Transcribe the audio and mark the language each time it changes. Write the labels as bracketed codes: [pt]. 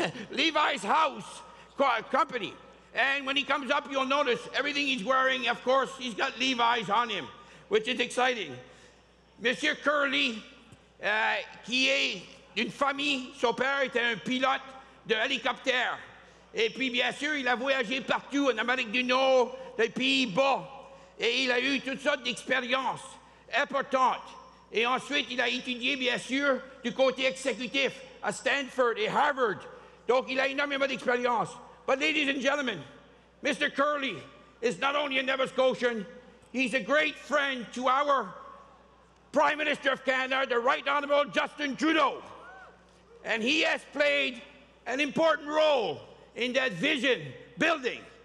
[en] Levi's House Company. And when he comes up, you'll notice everything he's wearing, of course, he's got Levi's on him, which is exciting. [fr] Monsieur Curleigh, qui est d'une famille, son père était un pilote de hélicoptère. Et puis, bien sûr, il a voyagé partout en Amérique du Nord, les Pays-Bas. Et il a eu toutes sortes d'expériences importantes. Et ensuite, il a étudié, bien sûr, du côté exécutif à Stanford et Harvard. Donc, il a énormément d'expérience. [en] But ladies and gentlemen, Mr. Curleigh is not only a Nova Scotian, he's a great friend to our Prime Minister of Canada, the Right Honourable Justin Trudeau. And he has played an important role in that vision building.